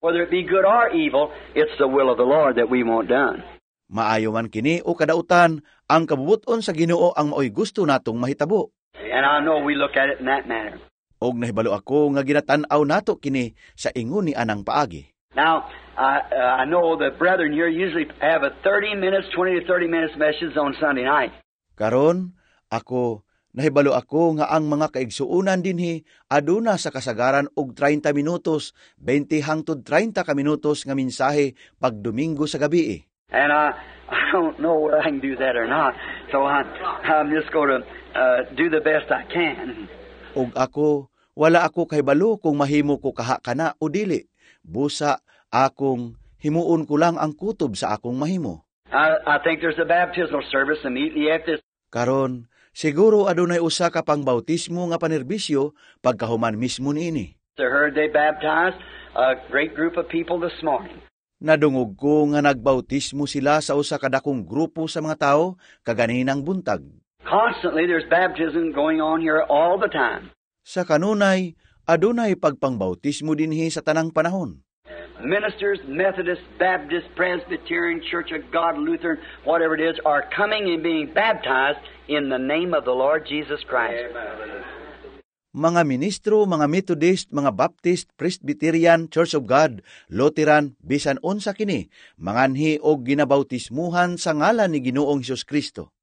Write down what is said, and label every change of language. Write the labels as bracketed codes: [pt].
[en] Whether it be good or evil, it's the will of the Lord that we want done. [ceb] Maayo man kini o kadautan, ang kabubuton sa Ginoo ang maoy gusto natong mahitabo. [en] And I know we look at it in that manner. [ceb] Og nahibalo ako nga ginatan-aw nato kini sa ingon ni anang paagi. [en] Now, I know the brethren here usually have a 20 to 30 minutes message on Sunday night. [ceb] Karon, ako, nahibalo ako nga ang mga kaigsuunan dinhi aduna sa kasagaran og 30 minutos, 20 hangtod 30 ka minutos nga mensahe pag Domingo sa gabi. [en] And I don't know whether I can do that or not, so I'm just going to do the best I can. [ceb] Og ako, wala ako kahibalo kung mahimo ko kaha kana o dili. Busa, akong himuon ko lang ang kutob sa akong mahimo. [en] I think there's a baptismal service immediately after this. [ceb] Karon, siguro adunay usa ka pang bautismo nga panerbisyo pagkahuman mismo niini. [en] I heard they baptized a great group of people this morning. [ceb] Nadungog ko nga nagbautismo sila sa usa ka dakong grupo sa mga tao kaganinang buntag. [en] Constantly there's baptism going on here all the time. [ceb] Sa kanunay, adunay pagpangbautismo dinhi sa tanang panahon. [en] Ministers, Methodist, Baptist, Presbyterian, Church of God, Lutheran, whatever it is, are coming and being baptized in the name of the Lord Jesus Christ. [ceb] Amen. Mga ministro, mga Methodist, mga Baptist, Presbyterian, Church of God, Lutheran, bisan unsa kini, manganhi og ginabautismuhan sa ngalan ni Ginoong Jesus Kristo.